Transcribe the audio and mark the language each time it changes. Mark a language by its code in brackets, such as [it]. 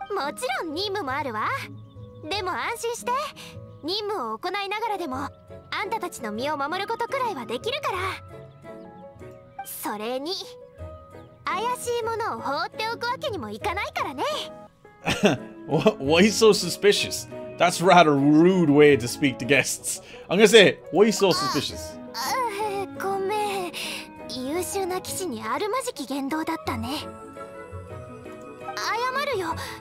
[ja] もちろん任務もあるわ。でも安心して。任務を行いながらでも、あんたたちの身を守ることくらいはできるから。それに、怪しいものを放っておくわけにもいかないからね。 [en] Why so suspicious? That's rather rude way to speak to guests. I'm gonna say, why so suspicious? [ja] ごめん。優秀な騎士にあるまじき言動だったね。謝るよ。